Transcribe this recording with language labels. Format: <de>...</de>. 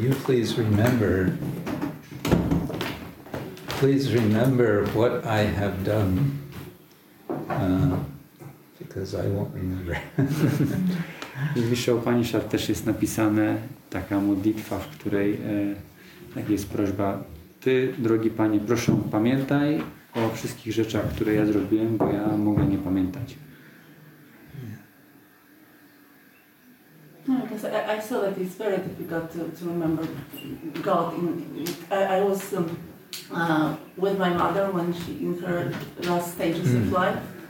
<en>You please remember what I have done, because I won't remember.</en> <pl>W Isha Upanishad też jest napisane taka modlitwa, w której tak jest prośba. Ty, drogi Panie, proszę pamiętaj o wszystkich rzeczach, które ja zrobiłem, bo ja mogę nie pamiętać.</pl> <en>I saw that it's very difficult to remember God. I was with my mother when she in her last stages of life.</en>